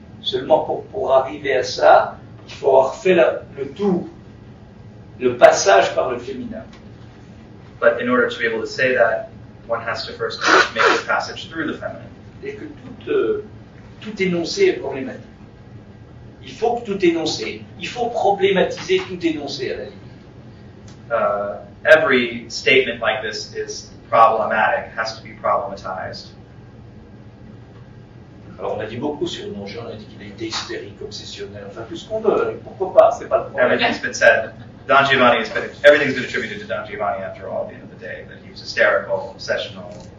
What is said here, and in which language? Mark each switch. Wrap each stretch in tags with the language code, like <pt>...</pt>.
<fr>Seulement pour arriver à ça, il faut avoir fait le tour, le passage par le féminin.</fr> <en>But in order to be able to say that, one has to first make the passage through the feminine.</en> <fr>Et que tout énoncé est problématique. Il faut que tout énoncé, il faut problématiser tout énoncé à la limite.</fr> <en>Every statement like this is problematic, has to be problematized.</en> <fr>Alors on a dit beaucoup sur mon genre, on a dit qu'il a été hystérique, obsessionnel, enfin tout ce qu'on veut, pourquoi pas, c'est pas le problème.</fr> <en>Everything's been said. Don Giovanni has been, everything's been attributed to Don Giovanni after all, at the end of the day, that he was hysterical, obsessional.</en>